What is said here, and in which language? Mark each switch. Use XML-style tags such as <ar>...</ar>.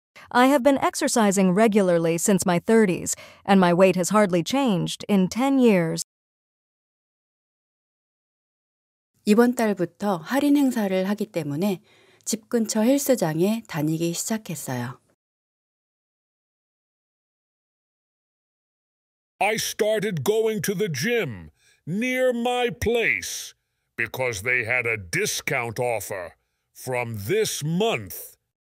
<en>I have been exercising regularly since my 30s, and my weight has hardly changed in 10 years.</en> <ko>이번 달부터 할인 행사를 하기 때문에 집 근처 헬스장에 다니기 시작했어요.</ko> <en>I started going to the gym near my place because they had a discount offer from this month.</en>